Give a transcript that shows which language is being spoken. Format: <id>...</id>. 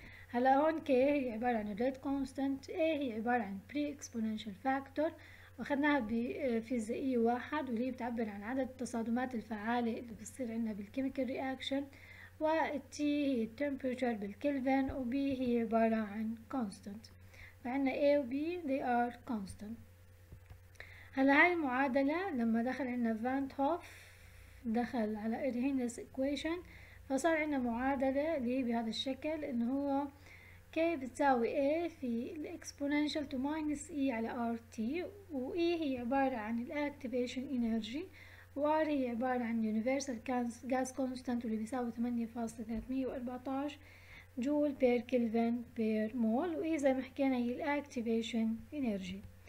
<ar>هلا هون كي هي عبارة عن الريت كونستانت، اي هي عبارة عن بري اكسبوننشال فاكتور واخذناها بفيزيائية واحد واللي بتعبر عن عدد التصادمات الفعالة اللي بتصير عندنا بالكيميكال رياكشن، والتي هي التمبريتشر بالكلفن، وبي هي عبارة عن كونستانت. فعندنا A و B</ar> <en>they are constant.</en> <ar>هلا هاي المعادلة لما دخل عندنا فانت هوف دخل على ارهينيوس ايكويشن فصار عندنا معادلة اللي هي بهذا الشكل، انه هو ك بتساوي A في الإكسبوننشال تو ماينس E على RT، و E هي عبارة عن الأكتيفيشن إنرجي، و R هي عبارة عن يونيفرسال غاز كونستانت واللي بيساوي 8.314 جول بير كلفن بير مول، و E زي ما حكينا هي الأكتيفيشن إنرجي.</ar>